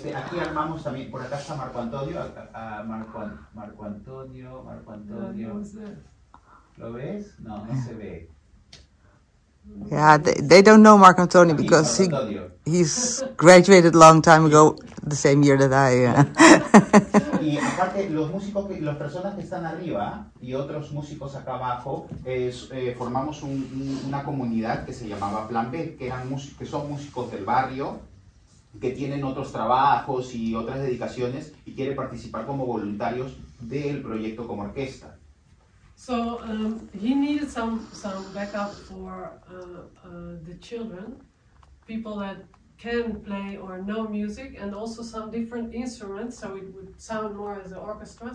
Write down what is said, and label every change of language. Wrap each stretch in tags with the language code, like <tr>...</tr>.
<es>Y aquí armamos también, por acá está Marco Antonio, Marco Antonio. ¿Lo ves? No, no se ve.</es> <en>Yeah, they don't know Marco Antonio because he's graduated a long time ago, the same year that I.</en> <es>Y aparte, los músicos, las personas que están arriba y otros músicos acá abajo, formamos una comunidad que se llamaba Plan B, que son músicos del barrio, que tienen otros trabajos y otras dedicaciones y quieren participar como voluntarios del proyecto como orquesta.</es> <en>So he needed some backup for the children, people that can play or know music, and also some different instruments, so it would sound more as an orchestra.</en>